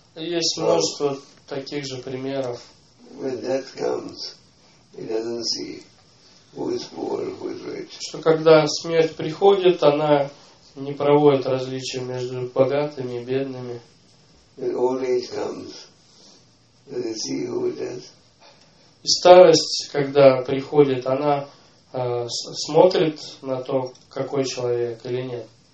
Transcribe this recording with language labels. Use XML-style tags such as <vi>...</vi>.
<ru>Есть множество таких же примеров.</ru> <en>When death comes, it doesn't see who is poor, who is rich.</en> <ru>Что когда смерть приходит, она не проводит различия между богатыми и бедными.</ru> <en>When old age comes, does it see who it is?</en> <ru>И старость, когда приходит, она смотрит на то, какой человек или нет.</ru>